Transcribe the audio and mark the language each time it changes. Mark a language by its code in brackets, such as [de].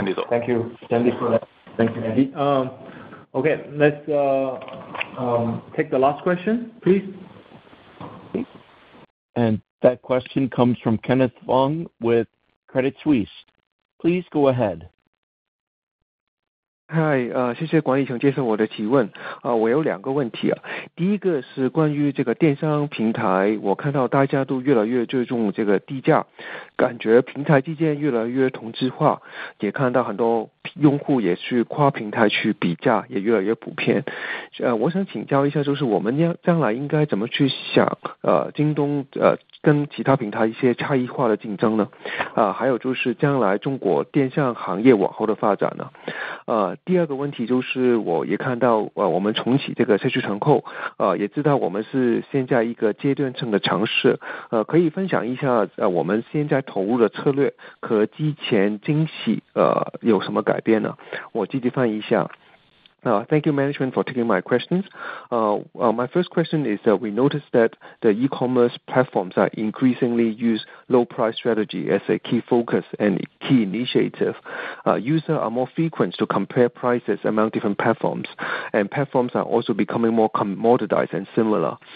[en] Thank you. Thank you for that. Thank you, Andy. Okay, let's take the last question, please. And that question comes from Kenneth Fong with Credit Suisse. Please go ahead. [zh] 嗨，谢谢管理层接受我的提问。我有两个问题啊。第一个是关于这个电商平台，我看到大家都越来越注重这个低价，感觉平台之间越来越同质化，也看到很多用户也去跨平台去比价，也越来越普遍。我想请教一下，就是我们将来应该怎么去想，京东跟其他平台一些差异化的竞争呢？还有就是将来中国电商行业往后的发展呢？第二个问题就是我也看到我们重启这个社区团购，也知道我们是现在一个阶段性的尝试，可以分享一下我们现在投入的策略和之前惊喜有什么改变呢？我积极翻译一下。 [en] Thank you, management, for taking my questions. My first question is that we noticed that the e-commerce platforms are increasingly use low price strategy as a key focus and key initiative. Users are more frequent to compare prices among different platforms, and platforms are also becoming more commoditized and similar.